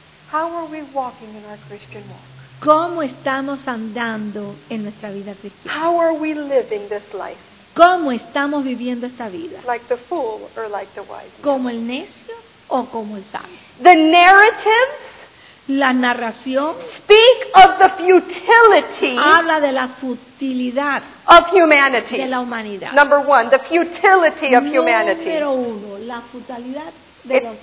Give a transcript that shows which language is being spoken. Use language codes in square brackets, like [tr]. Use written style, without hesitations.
[en] How are we walking in our Christian walk? [es] ¿Cómo estamos andando en nuestra vida cristiana? [en] How are we living this life? [es] ¿Cómo estamos viviendo esta vida? [en] Like the fool or like the wise. [es] ¿Como el necio o como el sabio? [en] The narratives, [es] la narración, [en] speak of the futility, [es] habla de la futilidad [en] of humanity, [es] de la humanidad. [en] Number one, the futility of humanity. [es] Número uno, la futilidad de